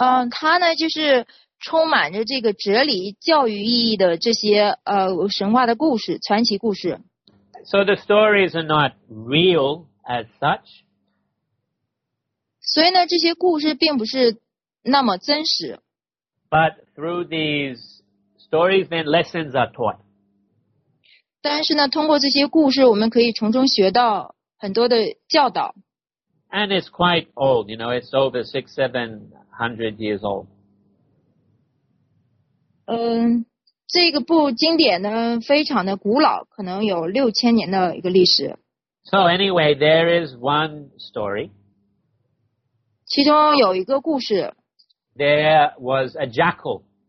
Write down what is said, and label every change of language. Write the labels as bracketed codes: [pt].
[zh] 它呢就是充满着这个哲理教育意义的这些神话的故事，传奇故事。 [en] So the stories are not real as such. [zh] 所以呢，这些故事并不是那么真实。 [en] But through these stories, then lessons are taught. [zh] 但是呢，通过这些故事，我们可以从中学到很多的教导。 [en] And it's quite old, you know, it's over 600-700 years old. [zh] 这个部经典呢非常的古老，可能有六千年的一个历史。 [en] So anyway, there is one story. [zh] 其中有一个故事。 [en] There was a jackal.